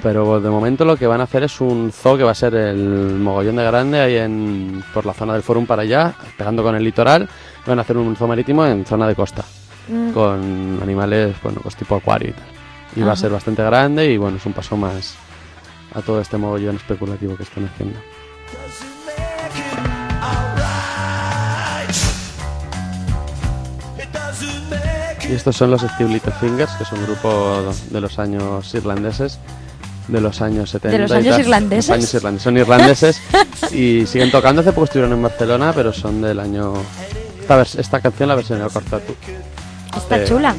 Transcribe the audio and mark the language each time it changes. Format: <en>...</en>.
<es>Pero de momento lo que van a hacer es un zoo que va a ser el mogollón de grande ahí por la zona del Forum para allá, pegando con el litoral. Van a hacer un zoo marítimo en zona de costa, con animales, bueno, pues tipo acuario y tal. Y va a ser bastante grande y, bueno, es un paso más a todo este mogollón especulativo que están haciendo.</es> <en>It doesn't make it all right. It doesn't make it...</en> <es>Y estos son los Steel Little Fingers, que es un grupo de los años irlandeses, de los años 70. ¿De los años irlandeses? Los años irlandeses. Son irlandeses y siguen tocando. Hace poco estuvieron en Barcelona, pero son del año... Esta canción la versioné al Cortatu. Está chula.</es>